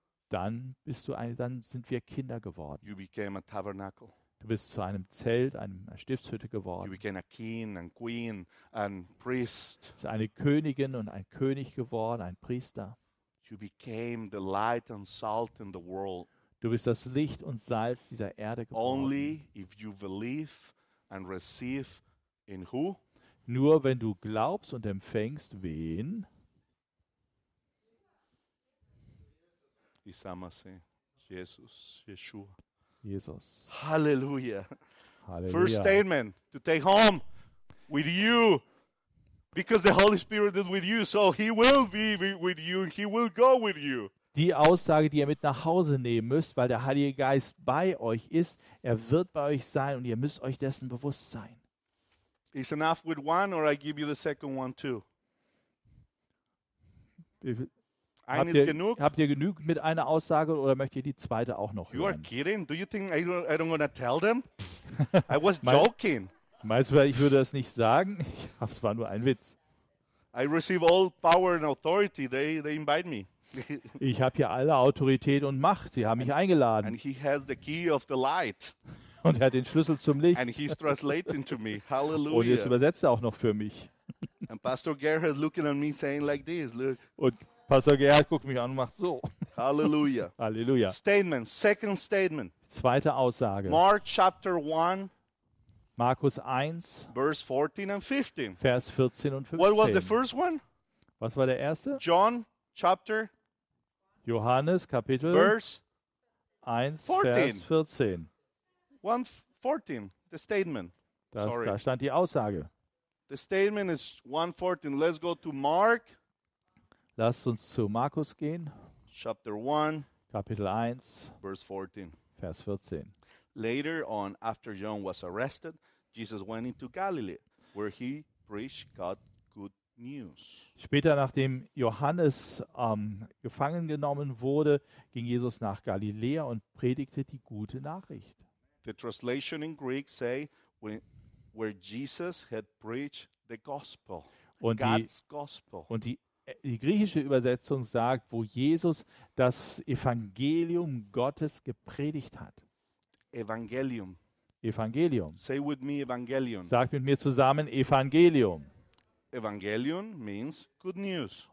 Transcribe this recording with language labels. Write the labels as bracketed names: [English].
[German] Dann bist du dann sind wir Kinder geworden. [English] You became a tabernacle. [German] Du bist zu einem Zelt, einer Stiftshütte geworden. [English] You became a king and queen and priest. [German] Du bist eine Königin und ein König geworden, ein Priester. [English] You became the light and salt in the world. [German] Du bist das Licht und Salz dieser Erde geworden. [English] Only if you believe and receive in who? [German] Nur wenn du glaubst und empfängst, wen? [English] Jesus. [German] Jesus. [English] Hallelujah. [German] Hallelujah. [English] First statement to take home with you because the Holy Spirit is with you, so he will be with you, he will go with you. [German] Die Aussage, die ihr mit nach Hause nehmen müsst, weil der Heilige Geist bei euch ist, er wird bei euch sein und ihr müsst euch dessen bewusst sein. [English] Is enough with one or I give you the second one too? [German] Habt ihr genug mit einer Aussage oder möcht ihr die zweite auch noch [English] you [German] hören? [English] You are kidding? Do you think I don't gonna tell them? I was joking. [German] Meinst du, ich würde das nicht sagen? Es war nur ein Witz. [English] I receive all power and authority. They invite me. [German] Ich habe hier alle Autorität und Macht. Sie haben mich eingeladen. [English] And he has the key of the light. [German] Und er hat den Schlüssel zum Licht. [English] And he's translating to me. Hallelujah. [German] Und jetzt übersetzt er auch noch für mich. [English] And Pastor Gerhard looking at me saying like this. Look. [German] Und Pastor Gerhard guckt mich an und macht so. [English] Hallelujah. [German] Hallelujah. [English] Statement, second statement. [German] Zweite Aussage. [English] Mark chapter 1. [German] Markus 1. [English] Verse 14 and 15. [German] Vers 14 und 15. [English] What was the first one? [German] Was war der erste? [English] John chapter. [German] Johannes Kapitel. [English] Verse [German] 1, 14. Vers 14. [English] 1:14, the statement. [German] Da stand die Aussage. [English] The statement is 1:14. Let's go to Mark. [German] Lasst uns zu Markus gehen. [English] Chapter 1, [German] Kapitel 1, [English] verse 14. [German] Vers 14. [English] Later on, after John was arrested, Jesus went into Galilee, where he preached God's good news. [German] Später, nachdem Johannes gefangen genommen wurde, ging Jesus nach Galiläa und predigte die gute Nachricht. [English] The translation in Greek say where Jesus had preached the gospel, God's gospel. [German] Und die griechische Übersetzung sagt, wo Jesus das Evangelium Gottes gepredigt hat. Evangelium. Evangelium. [English] Say with me Evangelion. [German] Sag mit mir zusammen Evangelium. [English] Evangelion means good news.